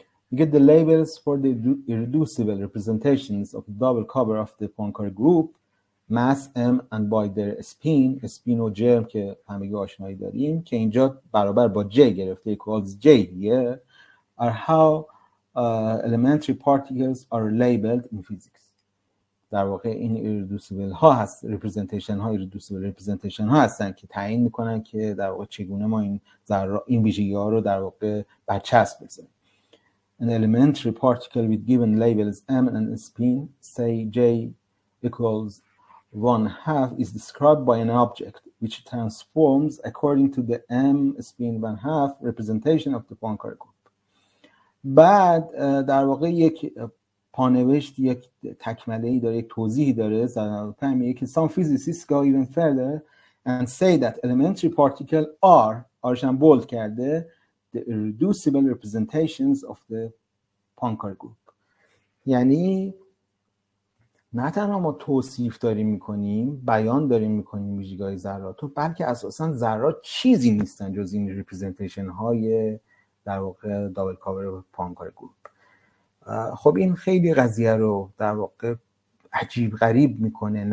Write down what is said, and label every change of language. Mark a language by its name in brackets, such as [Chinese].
[English] میگه the labels for the irreducible representations of the double cover of the Poincaré group mass m and by their spin, spin و germ [Persian] که همگی آشنایی داریم که اینجا برابر با j گرفته [English] equals j here are how elementary particles are labeled in physics. [Persian] در واقع این irreducible ها هست، representation ها، irreducible representation ها هستن که تعیین میکنن که در واقع چگونه ما این این ویژگی ها رو در واقع برچسب بزنیم. [English] An elementary particle with given labels m and spin, say j equals 1/2, is described by an object which transforms according to the m spin 1/2 representation of the Poincaré group. [Persian] بعد در واقع یک پانوشت، یک تکمله‌ای داره، یک توضیحی داره. [English] Some physicists go even further and say that elementary particle r, [Persian] r-ش هم بولد کرده، [English] the irreducible representations of the Poincaré group. [Persian] یعنی نه تنها ما توصیف داریم میکنیم، بیان داریم میکنیم ویژگی‌های ذرات رو، بلکه اساسا ذرات چیزی نیستن جز این ریپرزنتیشن های در واقع دابل کاور Poincaré group. خب این خیلی قضیه رو در واقع عجیب غریب میکنه.